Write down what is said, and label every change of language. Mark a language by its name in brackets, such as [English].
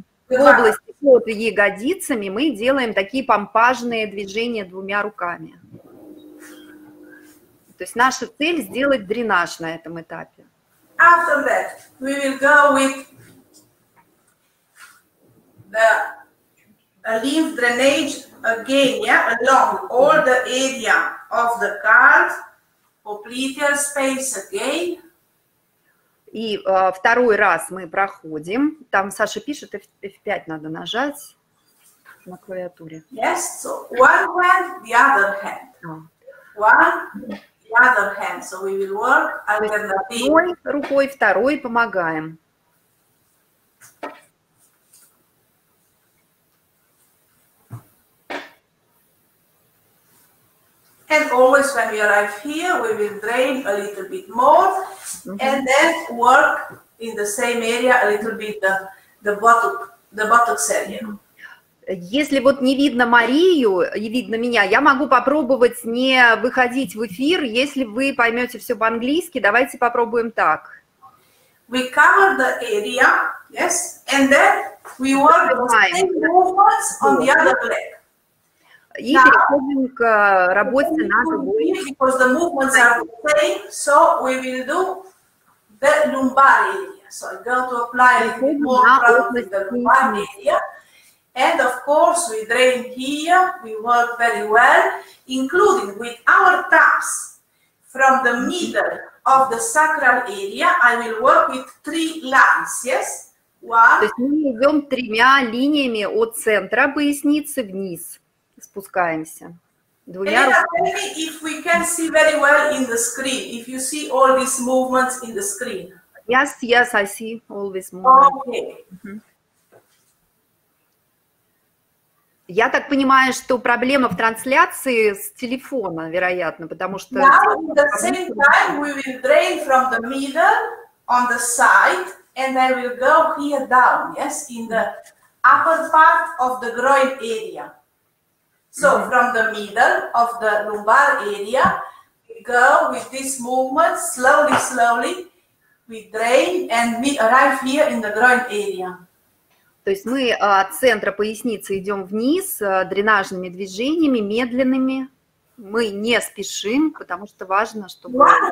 [Russian] В области под ягодицами мы делаем такие помпажные движения двумя руками. То есть наша цель сделать дренаж на этом этапе. [English] After that, we will go with the lymph drainage again, yeah, along all the area of the card, popliteal space again. [Russian] И второй раз мы проходим. Там Саша пишет, F5 надо нажать на клавиатуре. [English] Yes, so one hand, the other hand. One, the other hand. So we will work alternative. [Russian] Одной рукой, второй помогаем. [English] And always when we arrive here, we will drain a little bit more, and then work in the same area a little bit the buttocks area. [Russian] Если вот не видно Марию и видно меня, я могу попробовать не выходить в эфир, если вы поймете все по-английски. Давайте попробуем так. [English] We cover the area, yes, and then we work the same movements on the other leg. [Russian] И [English] now, [Russian] переходим к работе на другой. [English] Because the movements are the same, so we will do the lumbar area. So I go to apply more product to the lumbar area. And of course, we drain here, we work very well, including with our thumbs from the middle of the sacral area. I will work with three lines, yes? [Russian] То есть мы идем тремя линиями от центра поясницы вниз, спускаемся. Двумя руками. [English] If we can see very well in the screen, if you see all these movements in the screen. Yes, yes, I see all these movements. Okay. [Russian] Я так понимаю, что проблема в трансляции с телефона, вероятно, потому что... [English] Now, at the same time, we will drain from the middle on the side, and I will go here down, yes, in the upper part of the groin area. So, from the middle of the lumbar area, we go with this movement, slowly, slowly, we drain, and we arrive here in the groin area. [Russian] То есть мы от центра поясницы идем вниз дренажными движениями, медленными. Мы не спешим, потому что важно, чтобы...